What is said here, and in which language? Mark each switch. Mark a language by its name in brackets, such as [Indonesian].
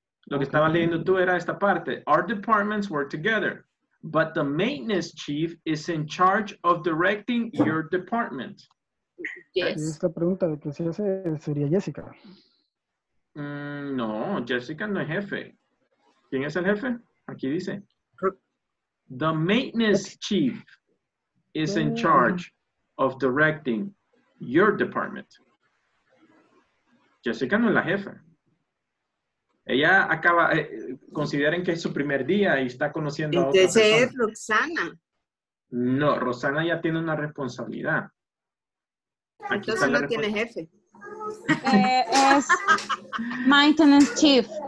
[Spanish] Lo que estaba leyendo tú era esta parte. [English] Our departments work together, but the maintenance chief is in charge of directing your department. Yes. [Spanish] Esta pregunta de que se hace sería Jessica. No, Jessica no es jefe. ¿Quién es el jefe? Aquí dice. [English] The maintenance chief is in charge of directing your department. [Spanish] Jessica no es la jefa. Ella acaba, consideren que es su primer día y está conociendo a otra persona. Entonces es Roxana. No, Roxana ya tiene una responsabilidad. Aquí entonces no tiene jefe. Es maintenance chief.